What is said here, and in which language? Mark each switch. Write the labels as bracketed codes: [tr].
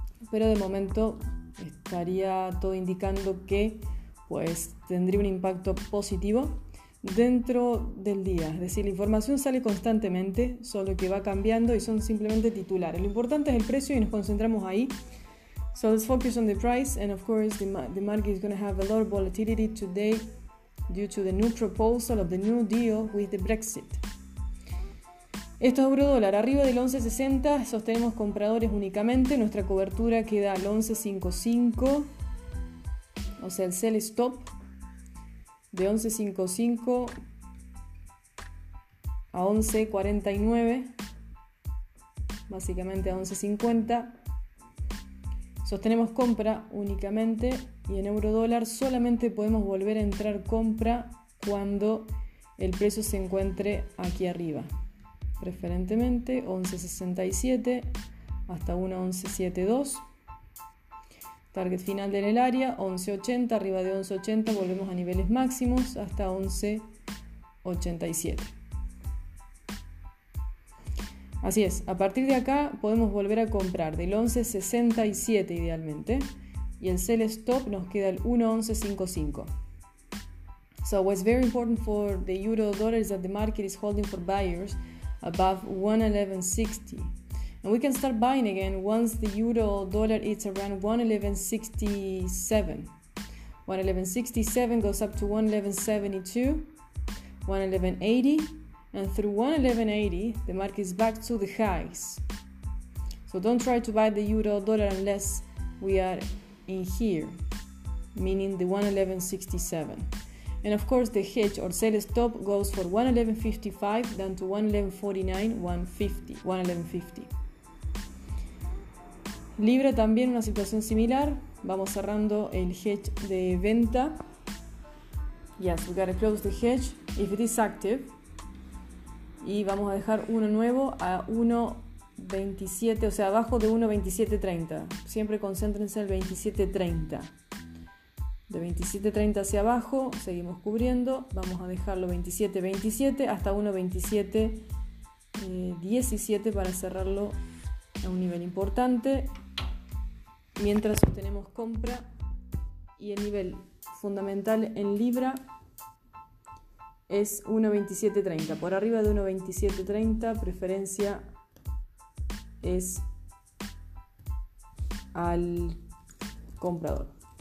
[es] Pero de momento estaría todo indicando que pues tendría un impacto positivo dentro del día. Es decir, la información sale constantemente, solo que va cambiando y son simplemente titulares. Lo importante es el precio y nos concentramos ahí. [en] So let's focus on the price, and of course the market is going to have a lot of volatility today due to the new proposal of the new deal with the Brexit. [es] Esto es eurodólar, arriba del 11.60, sostenemos compradores únicamente, nuestra cobertura queda al 11.55, o sea el sell stop de 11.55 a 11.49, básicamente a 11.50, sostenemos compra únicamente y en eurodólar solamente podemos volver a entrar compra cuando el precio se encuentre aquí arriba. Preferentemente 11.67 hasta 1.1172. Target final en el área 11.80, arriba de 11.80 volvemos a niveles máximos hasta 11.87. Así es, a partir de acá podemos volver a comprar del 11.67 idealmente y el sell stop nos queda el 1.1155. [en] So what's very important for the euro dollar is that the market is holding for buyers above 1.1160. And we can start buying again once the euro dollar is around 1.1167. 1.1167 goes up to 1.1172, 1.1180, and through 1.1180, the market is back to the highs. So don't try to buy the euro dollar unless we are in here, meaning the 1.1167. And of course, the hedge or sell stop goes for 1.1155 down to 1.1149, 1.1150. [es] Libra también una situación similar. Vamos cerrando el hedge de venta. [en] Yes, we gotta close the hedge if it is active. [es] Y vamos a dejar uno nuevo a 1.27, o sea, abajo de 1.2730. Siempre concéntrense en el 2730. De 27.30 hacia abajo, seguimos cubriendo, vamos a dejarlo 27.27 hasta 1.2717 para cerrarlo a un nivel importante, mientras obtenemos compra y el nivel fundamental en Libra es 1.2730, por arriba de 1.2730 preferencia es al comprador.